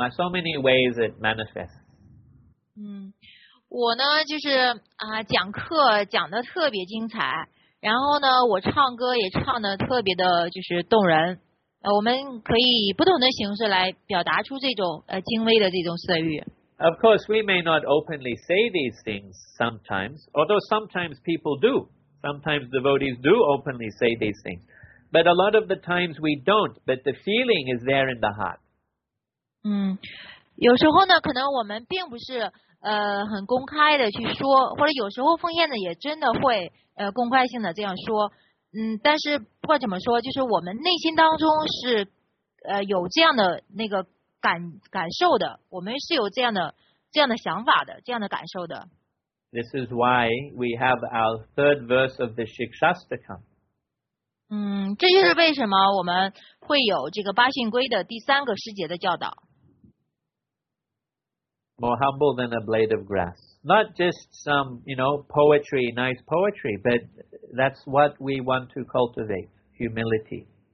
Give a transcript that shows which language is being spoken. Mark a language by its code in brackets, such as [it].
[en] So many ways it manifests. [zh] 我呢就是讲课讲得特别精彩，然后呢我唱歌也唱得特别的就是动人。我们可以以不同的形式来表达出这种精微的这种色欲。 [en] Of course, we may not openly say these things sometimes, although sometimes people do. Sometimes devotees do openly say these things. But a lot of the times we don't, but the feeling is there in the heart. [zh] 有时候呢可能我们并不是很公开的去说，或者有时候奉献的也真的会公开性的这样说。但是不管怎么说，就是我们内心当中是有这样的那个感受的，我们是有这样的想法的，这样的感受的。 [en] This is why we have our third verse of the Shikshastakam. [zh] 这就是为什么我们会有这个八信规的第三个师节的教导。 [en] More humble than a blade of grass. Not just some, you know, poetry, nice poetry, but that's what we want to cultivate, humility.